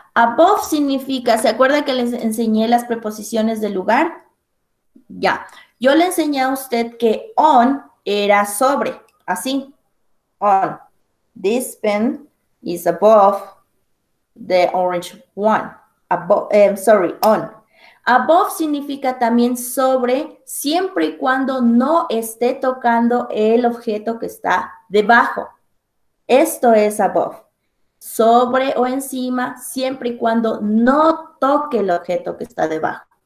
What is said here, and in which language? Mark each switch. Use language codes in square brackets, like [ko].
[es] Above significa, ¿se acuerda que les enseñé las preposiciones de lugar? Ya, yeah. Yo le enseñé a usted que on era sobre, así. [en] On, this pen is above the orange one. Above, sorry, on. [es] Above significa también sobre, siempre y cuando no esté tocando el objeto que está debajo. Esto es above. Sobre o encima, siempre y cuando no toque el objeto que está debajo.